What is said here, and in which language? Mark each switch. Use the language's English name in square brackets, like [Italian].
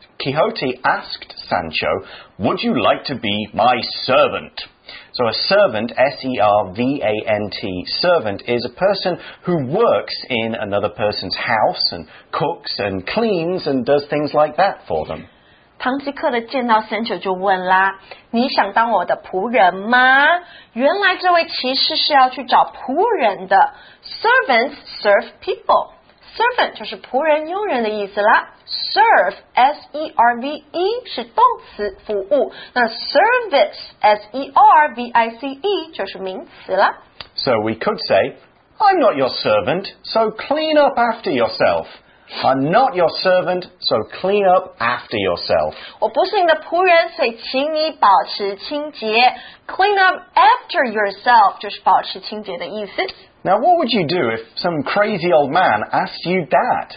[English] Quixote asked Sancho, would you like to be my servant? So a servant, S-E-R-V-A-N-T, servant is a person who works in another person's house and cooks and cleans and does things like that for them. [Chinese] 唐吉诃德见到 Sancho 就问啦，你想当我的仆人吗？原来这位骑士是要去找仆人的。 [English] Servants serve people. Servant [Chinese] 就是仆人、佣人的意思啦。 Serve, S-E-R-V-E, 是动词服务。那 service, S-E-R-V-I-C-E, 就是名词了。 [English] So we could say, I'm not your servant, so clean up after yourself. I'm not your servant, so clean up after yourself. [Chinese] 我不是你的仆人，所以请你保持清洁。 [English] Clean up after yourself, [Chinese] 就是保持清洁的意思。 [English] Now, what would you do if some crazy old man asked you that?